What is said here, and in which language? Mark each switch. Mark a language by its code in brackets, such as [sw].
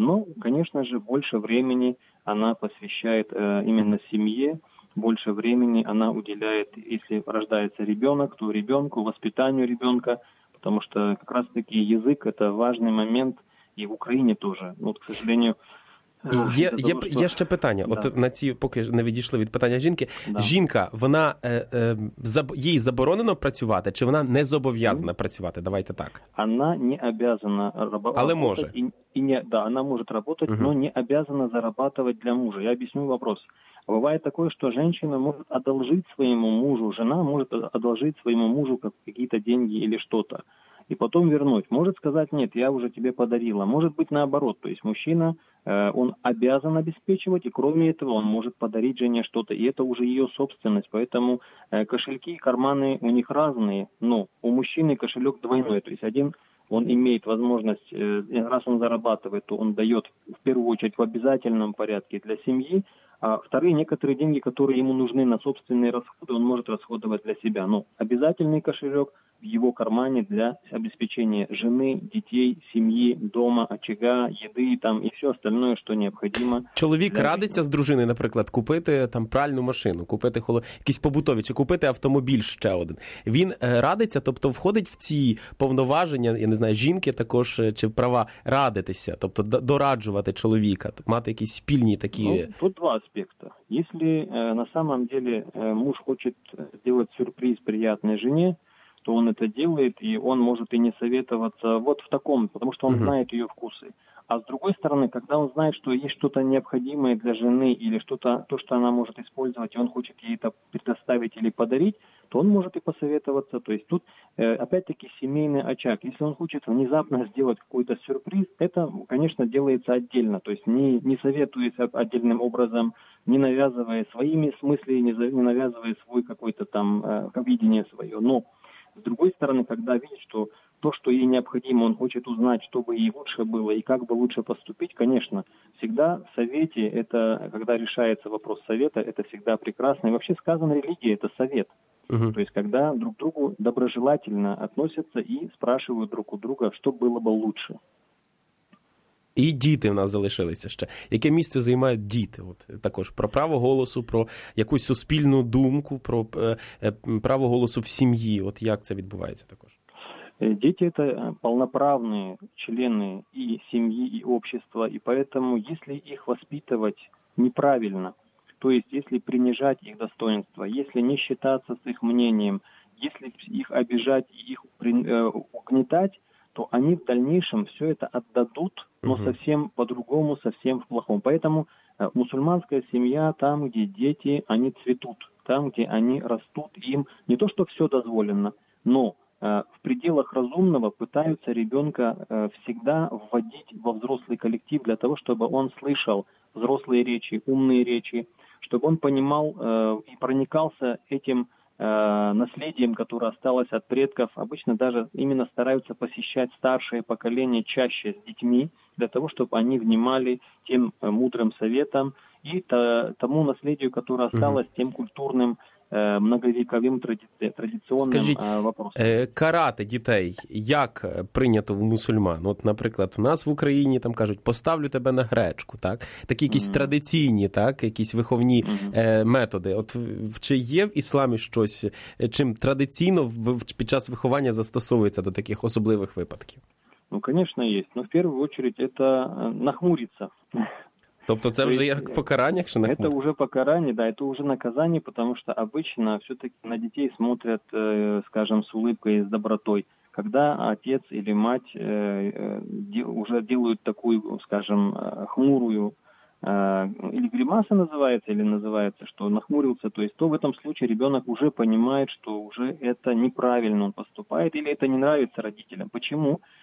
[ru] Но, конечно же, больше времени она посвящает именно семье, больше времени она уделяет, если рождается ребенок, то ребенку, воспитанию ребенка, потому что как раз-таки язык – это важный момент и в Украине тоже. Вот, к сожалению… [uk] Є ще питання. Да. От на ці, поки не відійшли від питання жінки. Да. Жінка, вона їй заборонено працювати, чи вона не зобов'язана працювати? [ru] Давайте так. [uk] Вона не обязана работать. Але може. І не, да, вона може працювати, але не обязана зарабатувати для мужа. Я об'ясню вопрос. Буває таке, що жінка може одолжити своєму мужу, жена може одолжити своєму мужу якісь гроші або щось, [ru] и потом вернуть. Может сказать, нет, я уже тебе подарила. Может быть наоборот, то есть мужчина, он обязан обеспечивать, и кроме этого он может подарить жене что-то, и это уже ее собственность. Поэтому кошельки и карманы у них разные, но у мужчины кошелек двойной. То есть один, он имеет возможность, раз он зарабатывает, то он дает в первую очередь в обязательном порядке для семьи, а вторые, некоторые деньги, которые ему нужны на собственные расходы, он может расходовать для себя. Но обязательный кошелек в его кармане для обеспечения жены, детей, семьи, дома, очага, еды там, и все остальное, что необходимо. [uk] Чоловік радиться с дружиной, например, купить там пральну машину, купить якісь побутові, чи купить автомобиль ще один. Він радиться, тобто входить в ці повноваження, я не знаю, жінки також, чи права радитися, тобто дораджувати чоловіка, мати якісь спільні такі... [ru] Ну, тут два аспекта. Если на самом деле муж хочет сделать сюрприз приятной жене, то он это делает, и он может и не советоваться вот в таком, потому что он знает ее вкусы. А с другой стороны, когда он знает, что есть что-то необходимое для жены или что-то, то, что она может использовать, и он хочет ей это предоставить или подарить, то он может и посоветоваться. То есть тут, опять-таки, семейный очаг. Если он хочет внезапно сделать какой-то сюрприз, это, конечно, делается отдельно. То есть не советуясь отдельным образом, не навязывая своими смыслы, не навязывая свой какой-то там видение свое. Но с другой стороны, когда видит, что то, что ей необходимо, он хочет узнать, чтобы ей лучше было и как бы лучше поступить, конечно, всегда в совете, это когда решается вопрос совета, это всегда прекрасно. И вообще сказано, религия – это совет. Угу. То есть когда друг к другу доброжелательно относятся и спрашивают друг у друга, что было бы лучше. [uk] І діти в нас залишилися ще. Яке місце займають діти? От також про право голосу, про якусь суспільну думку, про право голосу в сім'ї. От як це відбувається також? Діти – це повноправні члени і сім'ї, і общества. І тому, якщо їх виховувати неправильно, то есть якщо принижати їх достоинство, якщо не вважатися з їх мнением, якщо їх обижати, їх угнітати, [ru] то они в дальнейшем все это отдадут, но совсем по-другому, совсем в плохом. Поэтому мусульманская семья, там, где дети, они цветут, там, где они растут, им не то, что все дозволено, но в пределах разумного пытаются ребенка всегда вводить во взрослый коллектив для того, чтобы он слышал взрослые речи, умные речи, чтобы он понимал и проникался этим наследием, которое осталось от предков, обычно даже именно стараются посещать старшее поколение чаще с детьми, для того, чтобы они внимали тем мудрым советам и тому наследию, которое осталось тем культурным многовековым традиционным вопросом. [uk] Карати дітей як прийнято в мусульман? От, наприклад, у нас в Україні там кажуть, поставлю тебе на гречку, так? Такі якісь традиційні, так? Якісь виховні методи. От чи є в ісламі щось, чим традиційно під час виховання застосовується до таких особливих випадків? Ну, звісно, є. Ну, в першу чергу, це нахмуриться. Тобто це вже як покарання, якщо наказання? Це вже покарання, да, це вже наказання, тому що [ru] обычно все-таки [uk] на дітей смотрять, скажем, з улыбкой, з добротою. [ru] Когда отец или мать уже делают такую, скажем, хмурую или гримаса называется, или называется, что нахмурился, то есть то в этом случае ребенок уже понимает, что уже это неправильно он поступает, или это не нравится родителям. Почему?